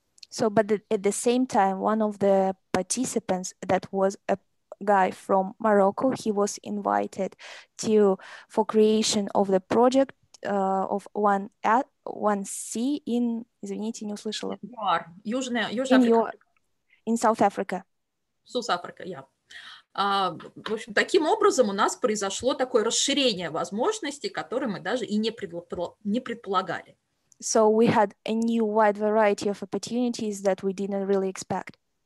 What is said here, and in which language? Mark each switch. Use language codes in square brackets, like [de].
[en] So, but at the same time, one of the participants that was a guy from Morocco, he was invited to for creation of the project of 1C in, [ru] извините, не услышала. ЮАР, Южная Африка. [en] In South Africa. South Africa, yeah. [ru] В общем, таким образом у нас произошло такое расширение возможностей, которые мы даже и не предполагали. [en] So we had a new wide variety of opportunities that we didn't really expect.